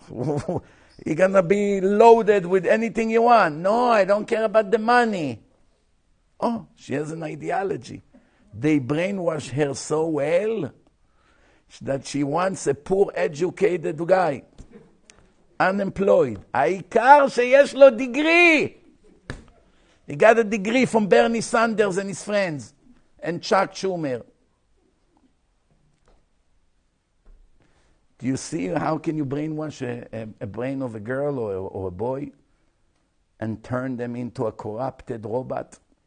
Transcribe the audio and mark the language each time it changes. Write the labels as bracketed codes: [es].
[en] You're going to be loaded with anything you want. No, I don't care about the money. Oh, she has an ideology. They brainwash her so well that she wants a poor educated guy. Unemployed. [he] העיקר שיש לו degree. [en] He got a degree from Bernie Sanders and his friends. And Chuck Schumer. Do you see how can you brainwash a brain of a girl or a boy and turn them into a corrupted robot?